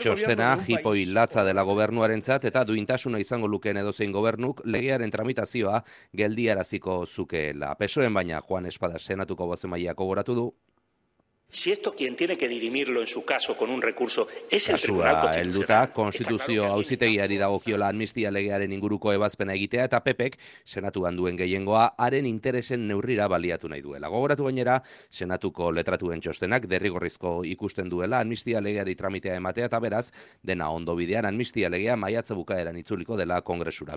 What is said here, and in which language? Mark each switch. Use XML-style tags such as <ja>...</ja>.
<eu>txostena, jipoi latza dela gobernuarentzat eta duintasuna izango lukeen edozein gobernuk legearen tramitazioa geldiaraziko zukeela. PSOEen baina Juan Espada senatuko bozemaileak gogoratu du.</eu> <es>Si esto quien tiene que dirimirlo en su caso con un recurso es el Tribunal Constitucional.</es> <eu>Helduta konstituzio auzitegiari dagokiola amnistia legearen inguruko ebazpena egitea eta PPek senatuan duen gehiengoa haren interesen neurrira baliatu nahi duela. Gogoratu gainera, senatuko letratuen txostenak derrigorrizko ikusten duela amnistia legeari tramitea ematea eta beraz dena ondo bidean amnistia legea maiatza bukaeran itzuliko dela kongresura.</eu>